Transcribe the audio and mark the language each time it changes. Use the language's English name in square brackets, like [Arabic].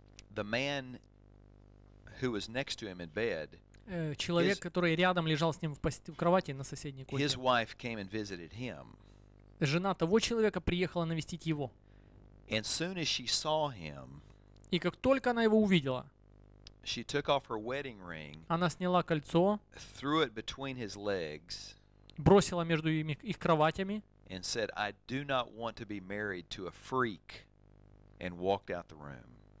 [English] The man who was next to him in bed. [Russian] Человек, который рядом лежал с ним в кровати на соседней койке. [English] His wife came and visited him. [Russian] Жена того человека приехала навестить его. [English] And soon as she saw him. [Russian] И как только она его увидела, [English] she took off her wedding ring. [Russian] Она сняла кольцо. [English] Threw it between his legs. [Russian] Бросила между их кроватями. [English] And said, "I do not want to be married to a freak," and walked out the room.